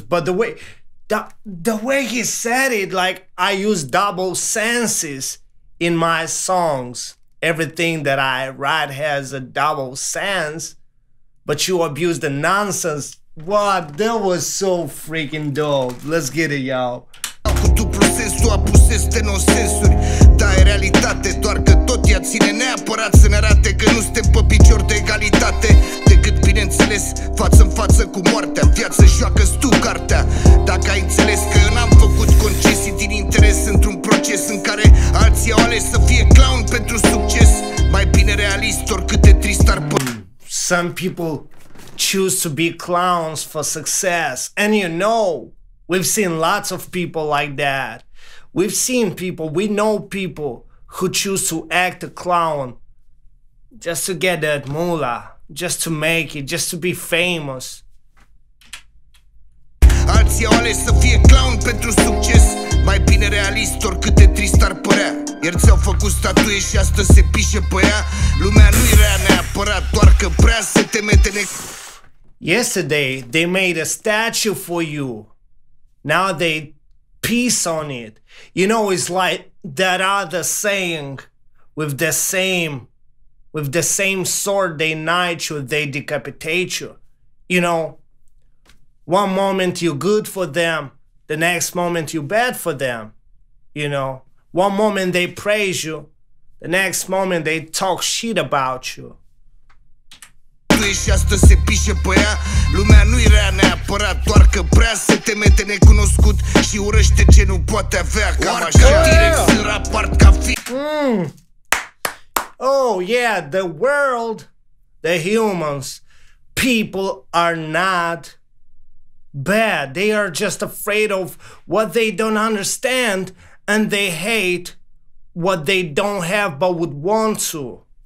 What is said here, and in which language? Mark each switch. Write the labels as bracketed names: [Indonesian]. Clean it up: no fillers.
[English] But the way he said it, like, I use double senses in my songs. Everything that I write has a double sense, but you abuse the nonsense. What? That was so freaking dope. Let's get it, y'all. [Romanian] Tu apusezi de nonsensuri, dar e realitate, doar că tot ea ține neapărat să ne arate că nu suntem pe picior de egalitate, decât bineînțeles, față în față cu moartea, în viață joacă-ți tu cartea. Dacă ai înțeles că eu n-am făcut concesii din interes într-un proces în care alții au ales să fie clown pentru succes, mai bine realist, oricât de trist ar pă... [English] Some people choose to be clowns for success, and you know, we've seen lots of people like that. We've seen people, we know people who choose to act a clown just to get that moolah, just to make it, just to be famous. [Romanian] Alții au ales să fie clown pentru succes, mai bine realist, oricât de trist ar părea. Ieri ți-au făcut statuie și astăzi se pișe pe ea. Lumea nu-i rea neapărat, doar că prea se teme de ne... [English] Yesterday, they made a statue for you. Now they piss on it. You know, it's like that other saying, with the same sword they knight you, they decapitate you. You know, one moment you're good for them, the next moment you're bad for them. You know, one moment they praise you, the next moment they talk shit about you. [Romanian] Și astăzi se pișe pe ea. Lumea nu-i rea neapărat, doar că prea se teme de necunoscut și urăște ce nu poate avea. Cam așa TRex în rapart ca fi. [English] Oh yeah, the world, the humans, people are not bad. They are just afraid of what they don't understand, and they hate what they don't have but would want to.